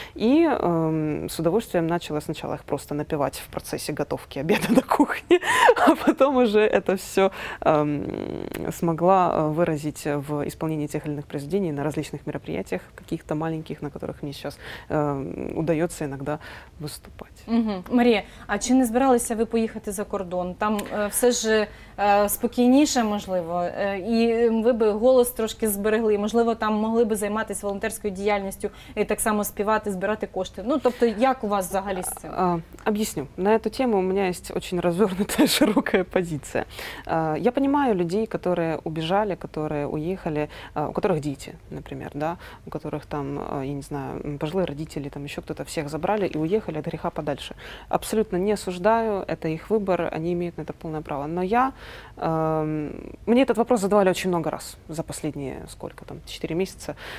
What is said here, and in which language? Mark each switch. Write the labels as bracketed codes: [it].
[ru] И с удовольствием начала сначала их просто напевать в процессе готовки обеда на кухне, а потом уже это все смогла выразить в исполнении тех или иных произведений на различных мероприятиях, каких-то маленьких, на которых мне сейчас удается иногда выступать. Угу. [uk] Мария, а чи не збиралися ви поїхати за кордон? Там все ж спокійніше, можливо, і ви би голос трошки зберегли, можливо, там могли би займатися волонтерською діяльністю і так само співати, збирати кошти. Ну, тобто, як у вас взагалі з цим? Об'ясню. На цю тему у мене є дуже розвернута широка позиція. Я розумію людей, які убежали, які уїхали, у яких діти, наприклад, да? [ru] У яких там, я не знаю, пожилые родители, там еще кто-то, всех забрали и уехали от греха подальше. Абсолютно не осуждаю, это их выбор, они имеют на это полное право. Но я, мне этот вопрос задавали очень много раз за последние, сколько там, 4 месяца.